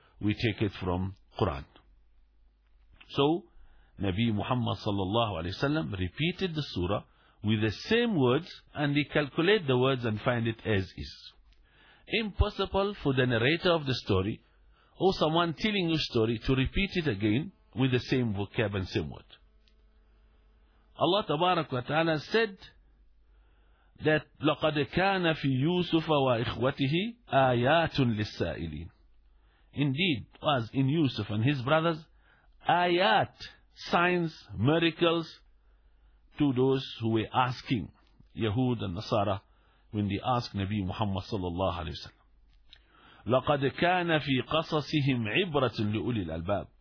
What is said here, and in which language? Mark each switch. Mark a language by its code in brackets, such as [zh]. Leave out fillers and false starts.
[en] We take it from Quran. So, Nabi Muhammad sallallahu alayhi wa sallam repeated the surah with the same words, and he calculated the words and find it as is. Impossible for the narrator of the story or someone telling you story to repeat it again with the same vocab and same word. Allah Tabarak wa Ta'ala said that [ar] لَقَدْ كَانَ فِي يُوسُفَ وَإِخْوَتِهِ آيَاتٌ لِلسَّائِلِينَ. [en] Indeed, was in Yusuf and his brothers آيات, signs, miracles to those who were asking, Yahud and Nasara, when they ask Nabi Muhammad sallallahu alayhi wa sallam. [ar] لَقَدْ كَانَ فِي قَصَصِهِمْ عِبْرَةٌ لِأُولِي الْأَلْبَابِ.